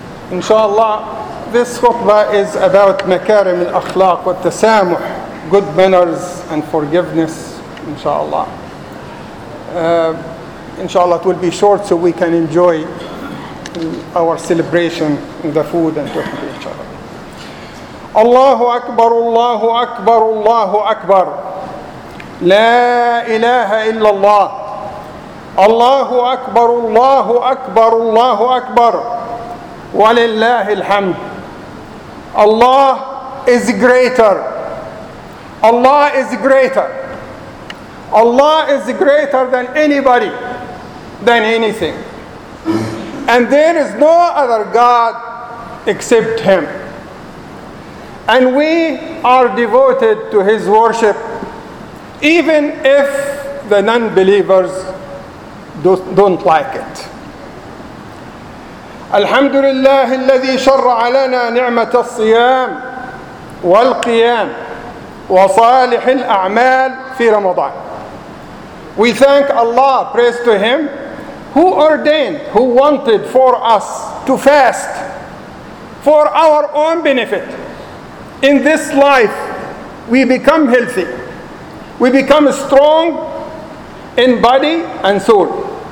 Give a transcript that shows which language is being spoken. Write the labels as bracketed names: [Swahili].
[English] Inshallah, this khutbah is about makarim al-akhlaq, what the samuh, good manners and forgiveness, inshallah. Inshallah, it will be short so we can enjoy our celebration and the food and talking to each other. [Arabic] الله أكبر الله أكبر الله أكبر لا إله إلا الله الله أكبر الله أكبر الله أكبر ولله الحمد. [English] Allah is greater. Allah is greater. Allah is greater than anybody, than anything. And there is no other God except Him. And we are devoted to His worship, even if the non-believers don't like it. الحمد لله الذي شرع لنا نعمة الصيام والقيام وصالح الأعمال في رمضان. We thank Allah, praise to Him, who ordained, who wanted for us to fast for our own benefit. In this life, we become healthy. We become strong in body and soul.